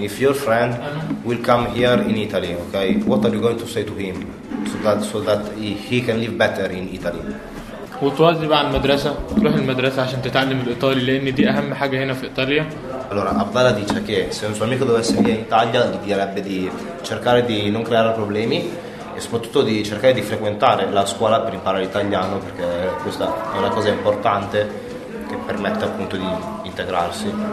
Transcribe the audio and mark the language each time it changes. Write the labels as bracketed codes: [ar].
[en] If your friend will come here in Italy, okay, what are you going to say to him so that he can live better in Italy? [ar] وتواظب على المدرسة تروح المدرسة عشان تتعلم الإيطالي لأن دي أهم حاجة هنا في إيطاليا. [it] Allora Abdallah dice che se un suo amico dovesse venire in Italia gli direbbe di cercare di non creare problemi e soprattutto di cercare di frequentare la scuola per imparare l'italiano, perché questa è una cosa importante che permette appunto di integrarsi.